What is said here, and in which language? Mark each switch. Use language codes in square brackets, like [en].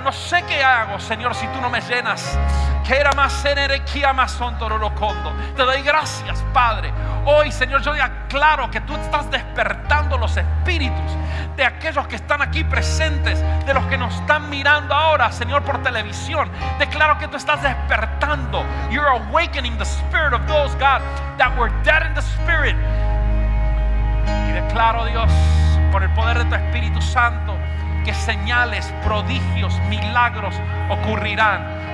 [es] No sé qué hago, Señor, si tú no me llenas. Te doy gracias, Padre. Hoy, Señor, yo declaro que tú estás despertando los espíritus de aquellos que están aquí presentes, de los que nos están mirando ahora, Señor, por televisión. Declaro que tú estás despertando. [en] You're awakening the spirit of those, God, that were dead in the spirit. [es] Y declaro, Dios, por el poder de tu Espíritu Santo, que señales, prodigios, milagros ocurrirán.